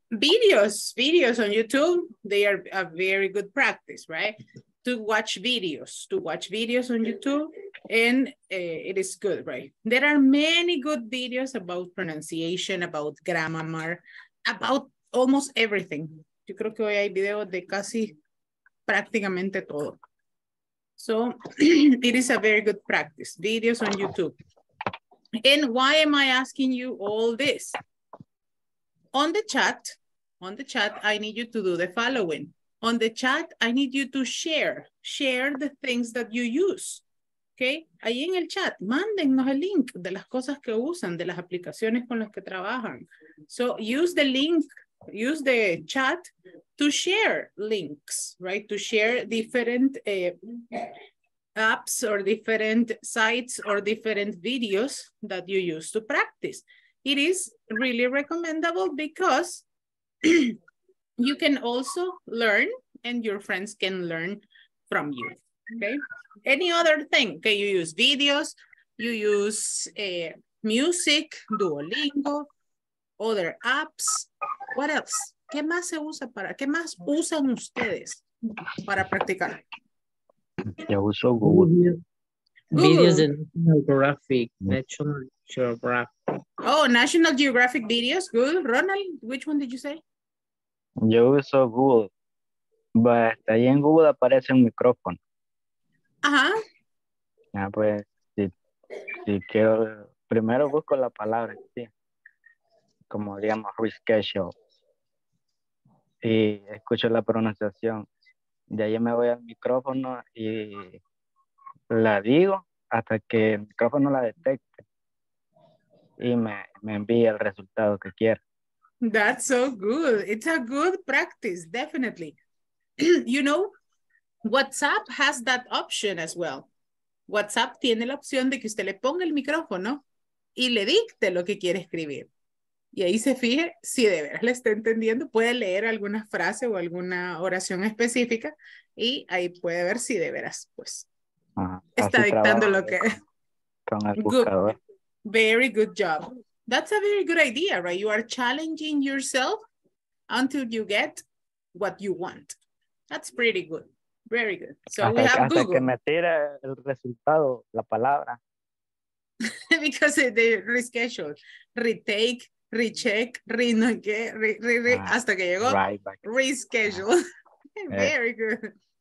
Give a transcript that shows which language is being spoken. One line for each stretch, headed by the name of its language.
English: Videos on YouTube. They are a very good practice, right? To watch videos on YouTube, and it is good, right? There are many good videos about pronunciation, about grammar, about almost everything.
Spanish: Yo creo que hoy hay videos de casi prácticamente todo.
English: So it is a very good practice, videos on YouTube. And why am I asking you all this? On the chat, I need you to do the following. On the chat, I need you to share the things that you use, okay?
Spanish: Ahí en el chat, mándennos el link de las cosas que usan, de las aplicaciones con las que trabajan.
English: So use the link, use the chat to share links, right? To share different apps or different sites or different videos that you use to practice. It is really recommendable because you can also learn and your friends can learn from you, okay? Any other thing, okay, you use videos, you use music, Duolingo, other apps, what else?
Spanish: ¿Qué más se usa para, qué más usan ustedes para practicar? Yo uso Google. Videos de National Geographic, National Geographic.
English: Oh, National Geographic videos, good. Ronald, which one did you say?
Spanish: Yo uso Google,
English: but
Spanish: ahí en Google aparece un micrófono. Ajá. Ah, pues, si quiero, primero busco la palabra, sí. Como digamos, reschedule. Y escucho la pronunciación. De ahí me voy al micrófono y la digo hasta que el micrófono la detecte. Y me envía el resultado que quiera.
English: That's so good. It's a good practice, definitely. You know, WhatsApp has that option as well.
Spanish: WhatsApp tiene la opción de que usted le ponga el micrófono y le dicte lo que quiere escribir. Y ahí se fije si de veras le está entendiendo, puede leer alguna frase o alguna oración específica y ahí puede ver si de veras, pues, está dictando lo que... Con el buscador.
English: Very good job. That's a very good idea, right? You are challenging yourself until you get what you want. That's pretty good. Very good. So
Spanish: hasta,
English: we have
Spanish: hasta Google. Que me tire el resultado, la palabra.
English: Because the reschedule. Retake, recheck,
Spanish: hasta que llegó.
English: Reschedule. Very good.